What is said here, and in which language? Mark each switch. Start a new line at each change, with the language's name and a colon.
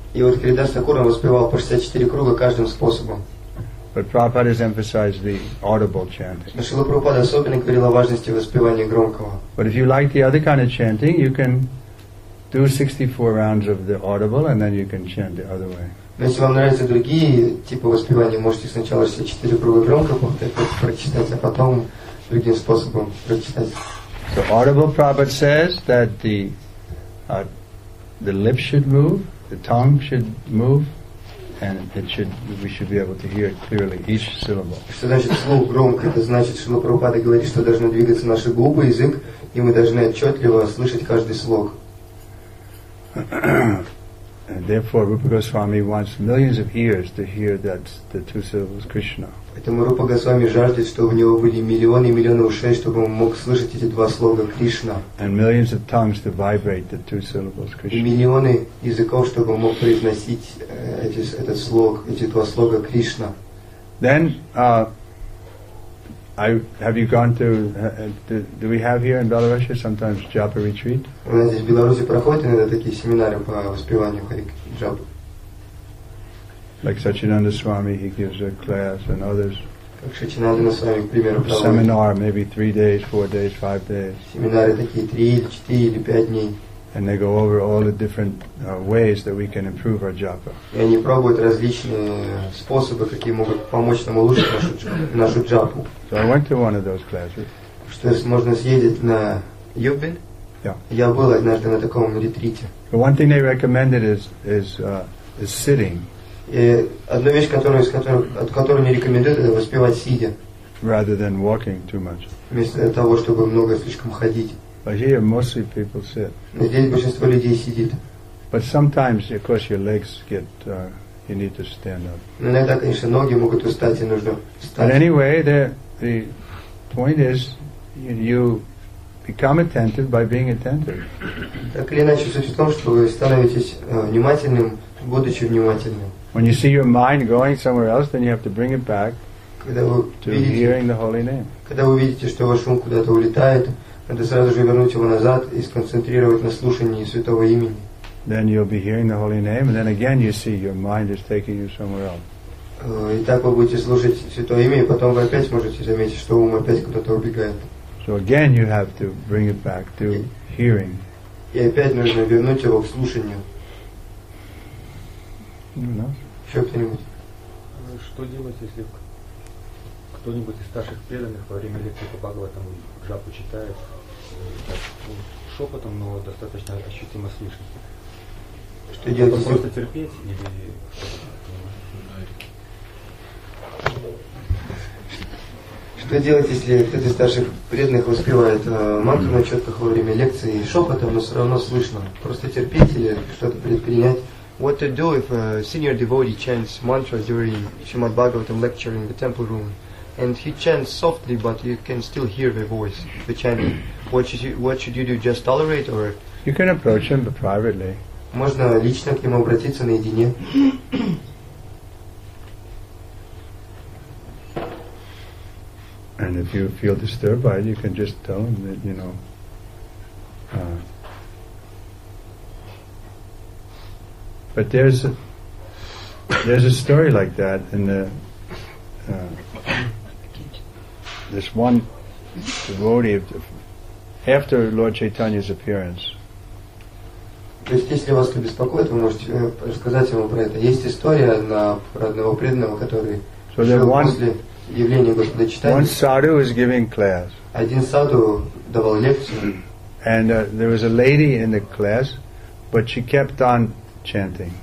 English: But Prabhupada has emphasized the audible chanting. But if you like the other kind of chanting, you can do 64 rounds of the audible and then you can chant the other way.
Russian: Если вам нравятся другие типы воспевания, можете сначала 64 круга громко прочитать, а потом другим способом прочитать.
English: So audible Prabhupada says that the lips should move, the tongue should move, and we should be able to hear clearly each syllable.
Russian: Что значит слух громко? Это значит, что Прабхупада говорит, что должны двигаться наши губы, язык, и мы должны отчетливо слышать каждый слог.
English: And therefore, Rupa Goswami wants millions of ears to hear that the two syllables Krishna.
Russian: Поэтому Рупа Госвами жаждет, чтобы у него были миллионы и миллионы ушей, чтобы он мог слышать эти два слога Кришна.
English: And millions of tongues to vibrate the two syllables Krishna.
Russian: И миллионы языков, чтобы он мог произносить эти два слога Кришна.
English: Then, do we have here in Belarus sometimes japa retreat?
Russian: У нас здесь в Беларуси проходят иногда такие семинары по воспеванию джапы.
English: Like Satchinanda Swami, he gives a class and others.
Russian: Как Сачинанда Свами, к примеру, проводит.
English: Seminar, maybe 3 days, 4 days, 5 days.
Russian: Семинары такие 3 или 4 или 5 дней.
English: And they go over all the different ways that we can improve our japa.
Russian: И они пробуют различные способы, какие могут помочь нам улучшить нашу джапу.
English: So I went to one of those classes.
Russian: Что можно съездить на Юбин?
English: Yeah.
Russian: Я был однажды на таком ретрите.
English: But one thing they recommended is sitting.
Russian: И одна вещь, от которой не рекомендуют, это воспевать сидя.
English: Rather than walking too much.
Russian: Вместо того, чтобы много слишком ходить.
English: But here mostly people sit.
Russian: Здесь большинство людей сидит.
English: But sometimes, of course, your legs get. You need to stand up.
Russian: Но иногда, конечно, ноги могут устать, и нужно встать.
English: But anyway, the point is, you become attentive by being attentive.
Russian: Так или иначе, суть в том, что вы становитесь внимательным, будучи внимательным.
English: When you see your mind going somewhere else, then you have to bring it back to hearing the holy name.
Russian: Когда вы видите, что ваш ум куда-то улетает. Надо сразу же вернуть его назад и сконцентрировать на слушании святого имени.
English: Then you'll be hearing the holy name, and then again you see your mind is taking you somewhere else.
Russian: И так вы будете слушать святое имя, и потом вы опять можете заметить, что ум опять куда-то убегает.
English: So again you have to bring it back to hearing.
Russian: И опять нужно вернуть его к слушанию. Еще кто-нибудь? Что делать, если кто-нибудь из старших преданных во время лекции по Бхагаватам джапу читает шепотом, но достаточно ощутимо слышно. Что делать? Это просто терпеть или что делать, если кто-то из старших преданных воспевает мантру на четках во время лекции шепотом, но все равно слышно? Просто терпеть или что-то предпринять?
English: What to do if a senior devotee chants mantra during Shrimad Bhagavatam lecture in the temple room? And he chants softly, but you can still hear the voice, the chanting. What should you do? Just tolerate, or you can approach him, but privately.
Russian: Можно лично к нему обратиться наедине.
English: And if you feel disturbed by it, you can just tell him that But there's a story like that in the. This one devotee, after Lord Chaitanya's appearance.
Russian: То есть, если вас это беспокоит, вы можете рассказать ему про это. Есть история про одного преданного, который после явления Господа Чайтаньи.
English: One sadhu was giving class.
Russian: Один саду давал лекцию.
English: And there was a lady in the class, but she kept on chanting.